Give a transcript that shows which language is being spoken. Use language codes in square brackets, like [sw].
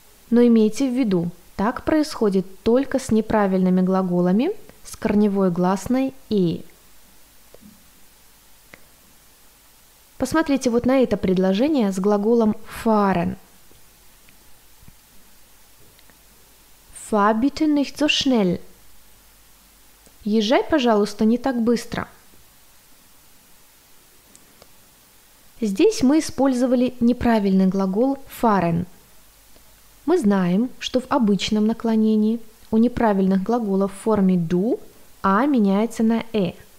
[ru] Но имейте в виду, так происходит только с неправильными глаголами с корневой гласной «и». Посмотрите вот на это предложение с глаголом fahren. [de] Fahr bitte nicht so schnell. [ru] Езжай, пожалуйста, не так быстро. Здесь мы использовали неправильный глагол fahren. Мы знаем, что в обычном наклонении у неправильных глаголов в форме du «а» меняется на «э».